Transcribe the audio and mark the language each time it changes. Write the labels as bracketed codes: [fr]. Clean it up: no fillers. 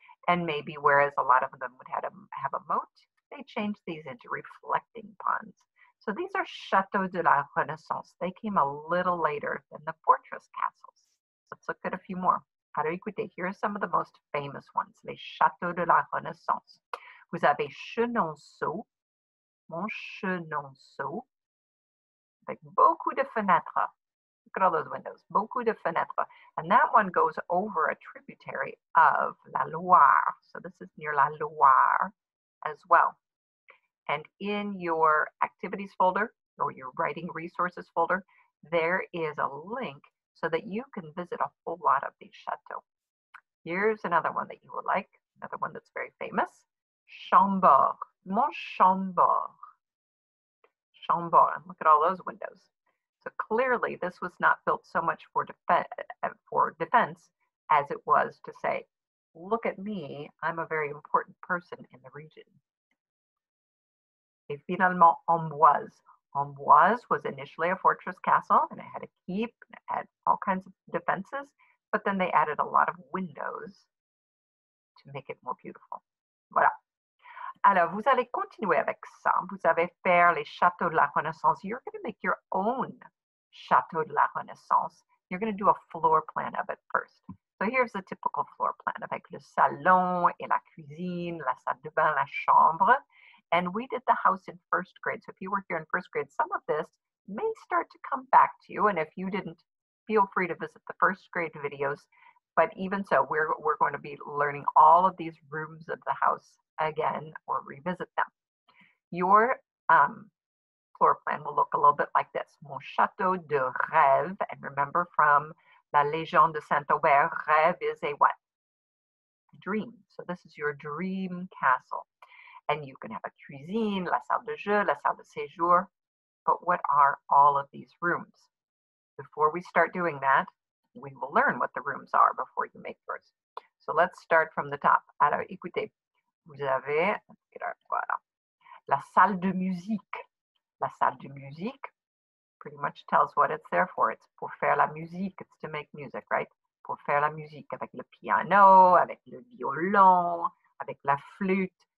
[en] And maybe whereas a lot of them would have a moat, they changed these into reflecting ponds. So these are chateaux de la Renaissance. They came a little later than the fortress castles. Let's look at a few more. [fr] Alors écoutez, [en] here are some of the most famous ones. [fr] Les châteaux de la Renaissance. Vous avez Chenonceau, Montchenonceau, avec beaucoup de fenêtres. [en] Look at all those windows, [fr] beaucoup de fenêtres. [en] And that one goes over a tributary of la Loire. So this is near la Loire as well. And in your activities folder, or your writing resources folder, there is a link so that you can visit a whole lot of these chateaux. Here's another one that you will like, another one that's very famous. Chambord, Montchambord. Chambord, look at all those windows. So clearly this was not built so much for defense as it was to say, look at me, I'm a very important person in the region. [fr] Et finalement, [en] Amboise. Amboise was initially a fortress castle, and it had a keep, and it had all kinds of defenses, But then they added a lot of windows to make it more beautiful. [fr] Voilà. Alors, vous allez continuer avec ça. Vous avez fait les châteaux de la Renaissance. [en] You're going to make your own Château de la Renaissance. You're going to do a floor plan of it first. So here's a typical floor plan [fr] avec le salon et la cuisine, la salle de bain, la chambre. [en] And we did the house in first grade. So if you were here in first grade, some of this may start to come back to you. And if you didn't, feel free to visit the first grade videos. But even so, we're going to be learning all of these rooms of the house again or revisit them. Your floor plan will look a little bit like this. [fr] Mon château de rêve. [en] And remember from La Légende de Saint-Aubert, rêve is a what? Dream. So this is your dream castle. And you can have a [fr] cuisine, la salle de jeu, la salle de séjour. [en] But what are all of these rooms? Before we start doing that, we will learn what the rooms are before you make yours. So let's start from the top. [fr] Alors, écoutez, vous avez, voilà, la salle de musique. La salle de musique [en] pretty much tells what it's there for. It's [fr] pour faire la musique. [en] It's to make music, right? [fr] Pour faire la musique avec le piano, avec le violon, avec la flûte.